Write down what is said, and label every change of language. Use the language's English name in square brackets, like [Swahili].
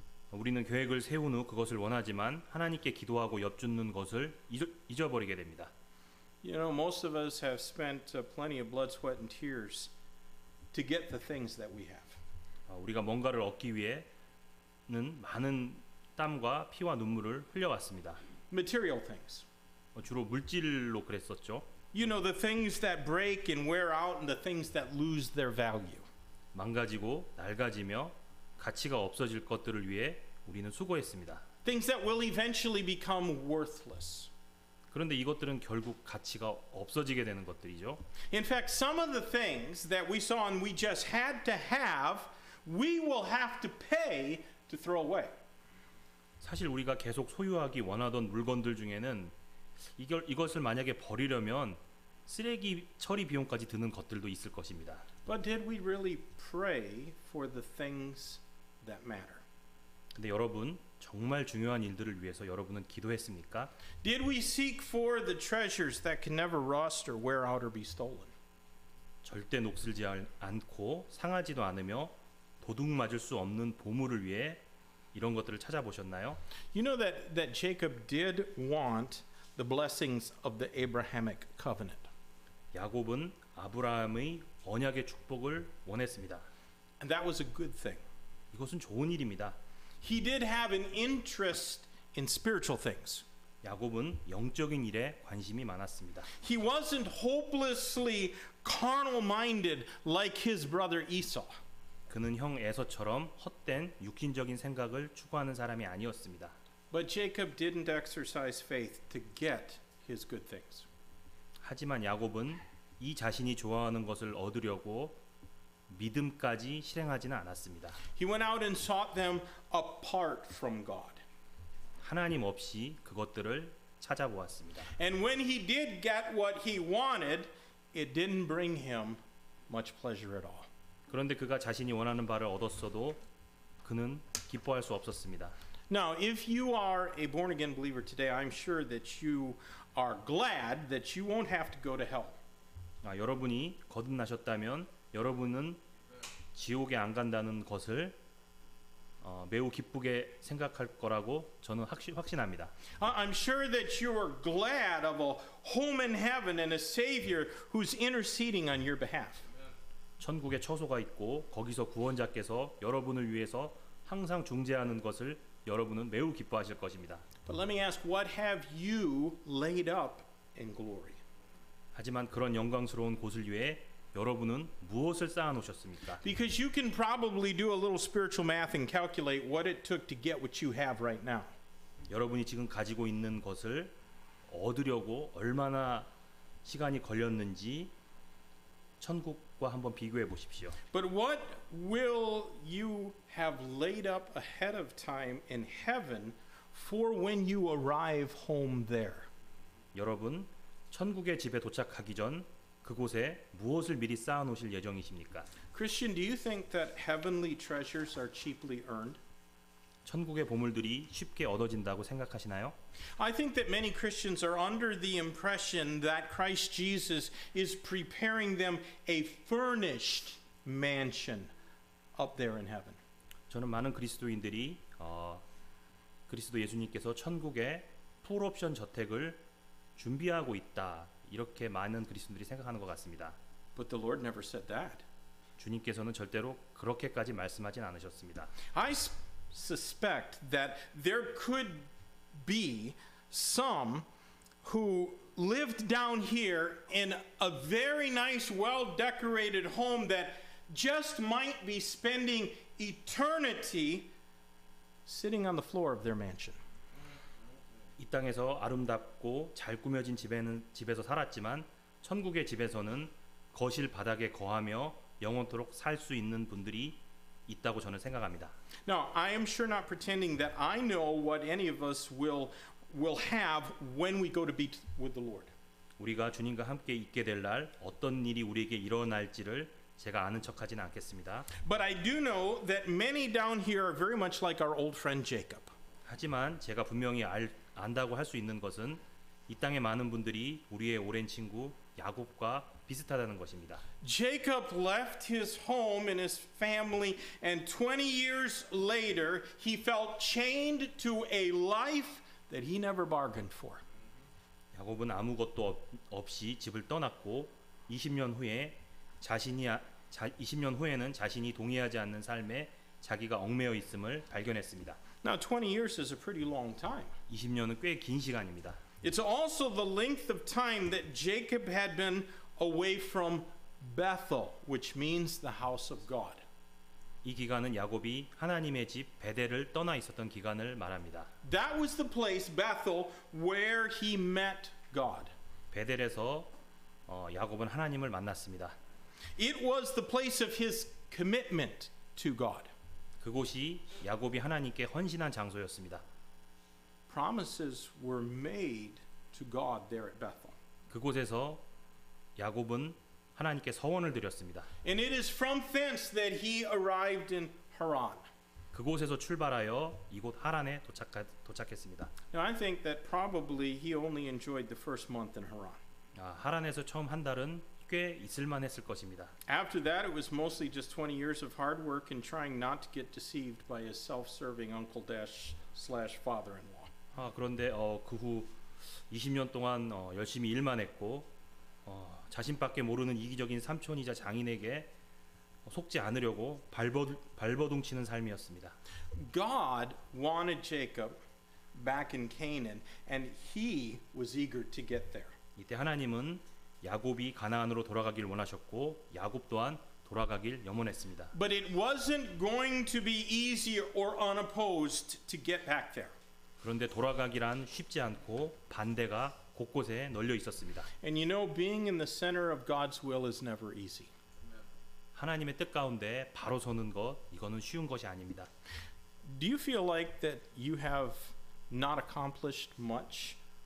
[Korean] 우리는 계획을 세운 후 그것을 원하지만 하나님께 기도하고 엿주는 것을 잊어버리게 됩니다. [English] You know, most of us have spent plenty of blood, sweat, and tears to get the things that we have. [Korean] 우리가 뭔가를 얻기 위해는 많은 땀과 피와 눈물을 흘려왔습니다. [English] Material things. [Korean] 주로 물질로 그랬었죠. [English] You know, the things that break and wear out and the things that lose their value. [Korean] 망가지고 낡아지며 가치가 없어질 것들을 위해 우리는 수고했습니다. [English] Things that will eventually become worthless. [Korean] 그런데 이것들은 결국 가치가 없어지게 되는 것들이죠. [English] In fact, some of the things that we saw and we just had to have, we will have to pay to throw away. [Korean] 사실 우리가 계속 소유하기 원하던 물건들 중에는 이것을 만약에 버리려면 쓰레기 처리 비용까지 드는 것들도 있을 것입니다. [English] But did we really pray for the things that matter? [Korean] 근데 여러분, 정말 중요한 일들을 위해서 여러분은 기도했습니까? [English] Did we seek for the treasures that can never rust or wear out or be stolen? [Korean] 절대 녹슬지 않고 상하지도 않으며 도둑맞을 수 없는 보물을 위해 이런 것들을 찾아보셨나요? [English] You know that Jacob did want the blessings of the Abrahamic covenant. [Korean] 야곱은 아브라함의 언약의 축복을 원했습니다. [English] And that was a good thing. [Korean] 이것은 좋은 일입니다. [English] He did have an interest in spiritual things. [Korean] 야곱은 영적인 일에 관심이 많았습니다. [English] He wasn't hopelessly carnal-minded like his brother Esau. [Korean] 그는 형 에서처럼 헛된 육신적인 생각을 추구하는 사람이 아니었습니다. [English] But Jacob didn't exercise faith to get his good things. [Korean] 하지만 야곱은 이 자신이 좋아하는 것을 얻으려고 믿음까지 실행하지는 않았습니다. [English] He went out and sought them apart from God. [Korean] 하나님 없이 그것들을 찾아보았습니다. [English] And when he did get what he wanted, it didn't bring him much pleasure at all. [Korean] 그런데 그가 자신이 원하는 바를 얻었어도 그는 기뻐할 수 없었습니다. [English] Now, if you are a born again believer today, I'm sure that you are glad that you won't have to go to hell. [Korean] 아, 여러분이 거듭나셨다면 여러분은 지옥에 안 간다는 것을 매우 기쁘게 생각할 거라고 저는 확신합니다. [English] I'm sure that you are glad of a home in heaven and a savior who's interceding on your behalf. [Korean] 천국에 처소가 있고 거기서 구원자께서 여러분을 위해서 항상 중재하는 것을 여러분은 매우 기뻐하실 것입니다. [English] But let me ask, what have you laid up in glory? [Korean] 하지만 그런 영광스러운 곳을 위해 여러분은 무엇을 쌓아놓으셨습니까? [English] Because you can probably do a little spiritual math and calculate what it took to get what you have right now. [Korean] 여러분이 지금 가지고 있는 것을 얻으려고 얼마나 시간이 걸렸는지 천국과 한번 비교해 보십시오. [English] But what will you have laid up ahead of time in heaven for when you arrive home there? [Korean] 여러분, 천국의 집에 도착하기 전 그곳에 무엇을 미리 쌓아 놓으실 예정이십니까? [English] Christian, do you think that heavenly treasures are cheaply earned? [Korean] 천국의 보물들이 쉽게 얻어진다고 생각하시나요? [English] I think that many Christians are under the impression that Christ Jesus is preparing them a furnished mansion up there in heaven. [Korean] 저는 많은 그리스도인들이 그리스도 예수님께서 천국에 풀 옵션 저택을 준비하고 있다. 이렇게 많은 그리스도인들이 생각하는 것 같습니다. [English] But the Lord never said that. [Korean] 주님께서는 절대로 그렇게까지 말씀하진 않으셨습니다. [English] I suspect that there could be some who lived down here in a very nice, well-decorated home that just might be spending eternity sitting on the floor of their mansion. [Korean] 이 땅에서 아름답고 잘 꾸며진 집에서 살았지만 천국의 집에서는 거실 바닥에 거하며 영원토록 살 수 있는 분들이 있다고 저는 생각합니다. [English] Now, I am sure not pretending that I know what any of us will have when we go to be with the Lord. [Korean] 우리가 주님과 함께 있게 될 날 어떤 일이 우리에게 일어날지를 제가 아는 척하지는 않겠습니다. [English] But I do know that many down here are very much like our old friend Jacob. [Korean] 하지만 제가 분명히 안다고 할 수 있는 것은 이 땅에 많은 분들이 우리의 오랜 친구 야곱과 비슷하다는 것입니다. [English] Jacob left his home and his family and 20 years later he felt chained to a life that he never bargained for. [Korean] 야곱은 아무것도 없이 집을 떠났고 20년 후에는 자신이 동의하지 않는 삶에 자기가 얽매여 있음을 발견했습니다. [English] Now 20 years is a pretty long time. [Korean] 20년은 꽤 긴 시간입니다. [English] It's also the length of time that Jacob had been away from Bethel, which means the house of God. [Korean] 이 기간은 야곱이 하나님의 집 베델을 떠나 있었던 기간을 말합니다. [English] That was the place Bethel where he met God. [Korean] 베델에서 야곱은 하나님을 만났습니다. [English] It was the place of his commitment to God. [Korean] 그곳이 야곱이 하나님께 헌신한 장소였습니다. [English] Promises were made to God there at Bethel. [Korean] 그곳에서 야곱은 하나님께 서원을 드렸습니다. [English] And it is from thence that he arrived in Haran. [Korean] 그곳에서 출발하여 이곳 하란에 도착했습니다. [English] Now I think that probably he only enjoyed the first month in Haran. [Korean] 하란에서 처음 한 달은 꽤 있을만했을 것입니다. [English] After that, it was mostly just 20 years of hard work and trying not to get deceived by his self-serving uncle/father-in-law. [Korean] 그런데 그 후 20년 동안 열심히 일만 했고 자신밖에 모르는 이기적인 삼촌이자 장인에게 속지 않으려고 발버둥치는 삶이었습니다. [English] God wanted Jacob back in Canaan, and he was eager to get there. [Korean] 이때 하나님은 야곱이 가나안으로 돌아가길 원하셨고 야곱 또한 돌아가길 염원했습니다. [English] But it wasn't going to be easy or unopposed to get back there. [Korean] 그런데 돌아가기란 쉽지 않고 반대가 곳곳에 널려 있었습니다. [English] And you know, being in the center of God's will is never easy. [Korean] 하나님의 뜻 가운데 바로 서는 것 이거는 쉬운 것이 아닙니다. [English] Do you feel like that you have not accomplished much